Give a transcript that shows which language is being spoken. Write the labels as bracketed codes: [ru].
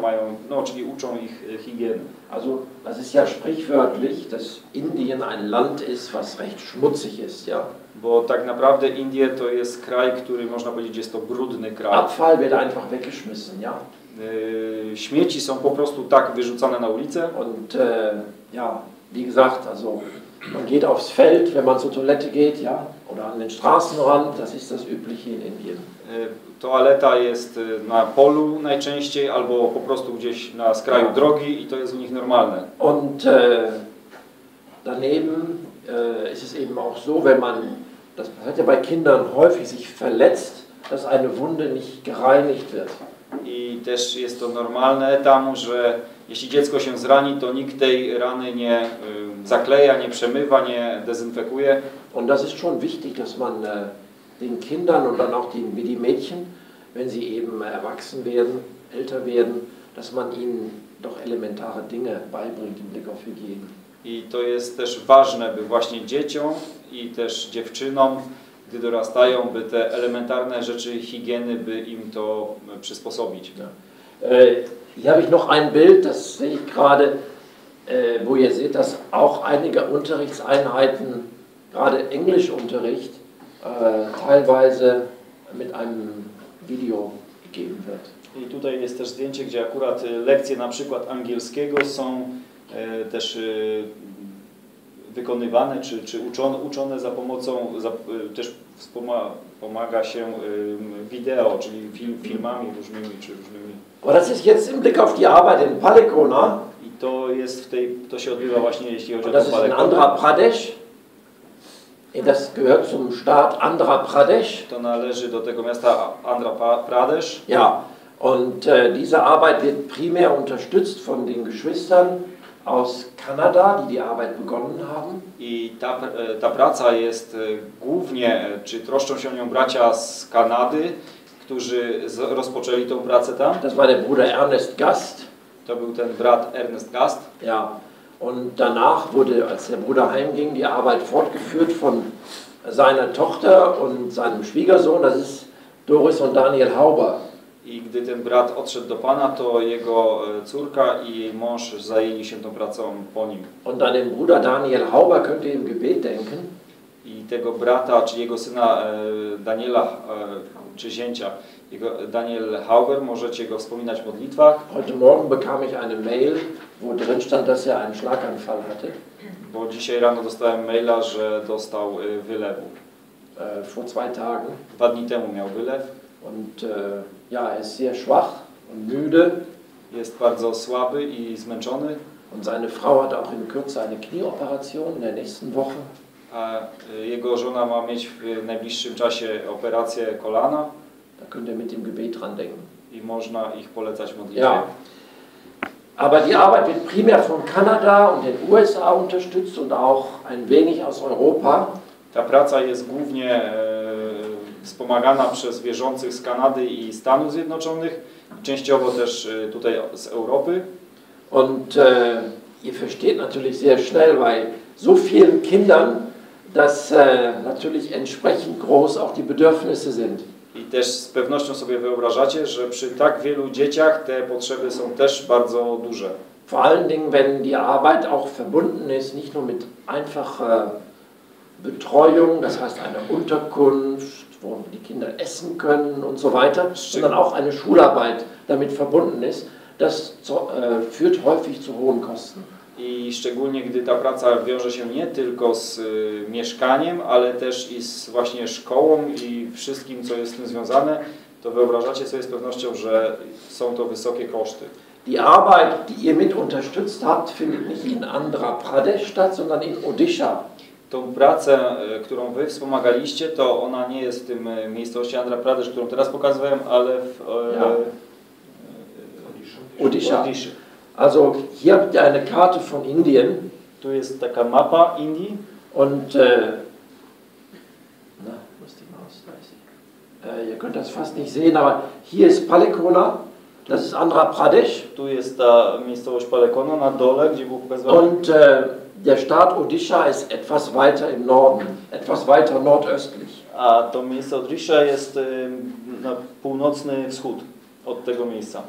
[pl] mają, no, czyli uczą ich higieny. [de] Also, das ist ja sprichwörtlich, dass Indien ein Land ist, was recht schmutzig ist, ja. [pl] Bo tak naprawdę Indie to jest kraj, który można powiedzieć, jest to brudny kraj. [de] Abfall wird einfach weggeschmissen, ja. [pl] Śmieci są po prostu tak wyrzucane na ulicę. [de] Und, ja, wie gesagt, also, man geht aufs Feld, wenn man zur Toilette geht, ja, oder an den Straßenrand, das ist das Übliche in Indien. [pl] Toaleta jest na polu najczęściej, albo po prostu gdzieś na skraju drogi i to jest u nich normalne. [de] Und daneben ist es eben auch so, wenn man, das passiert ja bei Kindern häufig, sich verletzt, dass eine Wunde nicht gereinigt wird. [pl] I też jest to normalne tam, że jeśli dziecko się zrani, to nikt tej rany nie zakleja, nie przemywa, nie dezynfekuje. [de] Und das ist schon wichtig, dass man den Kindern und dann auch die Mädchen, wenn sie eben erwachsen werden, älter werden, dass man ihnen doch elementare Dinge beibringt im Blick auf Hygiene. [pl] I to jest też ważne, by właśnie dzieciom i też dziewczynom, gdy dorastają, by te elementarne rzeczy higieny, by im to przysposobić. [de] Ja. Hier habe ich noch ein Bild, das sehe ich gerade, wo ihr seht, dass auch einige Unterrichtseinheiten, gerade Englischunterricht, teilweise mit einem Video gegeben wird. [pl] I tutaj jest też zdjęcie, gdzie akurat lekcje na przykład angielskiego są też wykonywane, czy uczone za pomocą, też pomaga się wideo, czyli filmami różnymi, czy różnymi. [de] Aber das ist jetzt im Blick auf die Arbeit in Palekona. [pl] I to jest w tej, to się odbywa właśnie, jeśli chodzi o Palekona. [de] Das ist in Andhra Pradesh. Das gehört zum Staat Andhra Pradesh. [pl] To należy do tego miasta Andhra Pradesh. [de] Ja, und diese Arbeit wird primär unterstützt von den Geschwistern aus Kanada, die Arbeit begonnen haben. [pl] I ta praca jest głównie, czy troszczą się o nią bracia z Kanady, którzy rozpoczęli tą pracę tam. [de] Das war der Bruder Ernest Gast. [pl] To był ten brat Ernest Gast. [de] Ja. Und danach wurde, als der Bruder heimging, die Arbeit fortgeführt von seiner Tochter und seinem Schwiegersohn, das ist Doris und Daniel Hauber. [pl] I gdy ten brat odszedł do pana, to jego córka i jej mąż zajęli się tą pracą po nim. [de] Und an den Bruder Daniel Hauber könnt ihr im Gebet denken. [pl] I tego brata, czy jego syna Daniela, czy zięcia, jego Daniel Hauber, możecie go wspominać w modlitwach. [de] Heute Morgen bekam ich eine Mail, wo drin stand, dass er einen Schlaganfall hatte. [pl] Bo dzisiaj rano dostałem maila, że dostał wylewu. [de] Vor zwei Tagen. [pl] Dwa dni temu miał wylew. [de] Und ja, er ist sehr schwach und müde. [pl] Jest bardzo słaby i zmęczony. [de] Und seine Frau hat auch in Kürze eine Knieoperation in der nächsten Woche. [pl] A jego żona ma mieć w najbliższym czasie operację kolana. [de] Da könnt ihr mit dem Gebet dran denken. [pl] I można ich polecać modlitwie. [de] Ja. Aber die Arbeit wird primär von Kanada und den USA unterstützt und auch ein wenig aus Europa. [pl] Ta praca jest głównie wspomagana przez wierzących z Kanady i Stanów Zjednoczonych, częściowo też tutaj z Europy. [de] Und ihr versteht natürlich sehr schnell bei so vielen Kindern, dass natürlich entsprechend groß auch die Bedürfnisse sind. [pl] I też z pewnością sobie wyobrażacie, że przy tak wielu dzieciach te potrzeby są też bardzo duże. [de] Vor allen Dingen, wenn die Arbeit auch verbunden ist, nicht nur mit einfach Betreuung, das heißt eine Unterkunft, wo die Kinder essen können und so weiter, sondern auch eine Schularbeit damit verbunden ist, das führt häufig zu hohen Kosten. [pl] I szczególnie, gdy ta praca wiąże się nie tylko z mieszkaniem, ale też i z właśnie szkołą i wszystkim, co jest z tym związane, to wyobrażacie sobie z pewnością, że są to wysokie koszty. [de] Die Arbeit, die ihr mit unterstützt habt, findet nicht in Andhra Pradesh statt, sondern in Odisha. [pl] Tą pracę, którą wy wspomagaliście, to ona nie jest w tym miejscowości Andhra Pradesh, którą teraz pokazywałem, ale w Odisha. Odisha. [de] Also hier habt ihr eine Karte von Indien. [pl] Tu jest taka mapa Indii. [de] Und ihr könnt das fast nicht sehen, aber hier ist Palekona. Das ist Andhra Pradesh. [pl] Tu jest ta miejscowość Palekona na dole, gdzie był pokazywany. [de] Und der Staat Odisha ist etwas weiter im Norden, etwas weiter nordöstlich. [pl] A to miejsce Odisha jest na północny wschód od tego miejsca.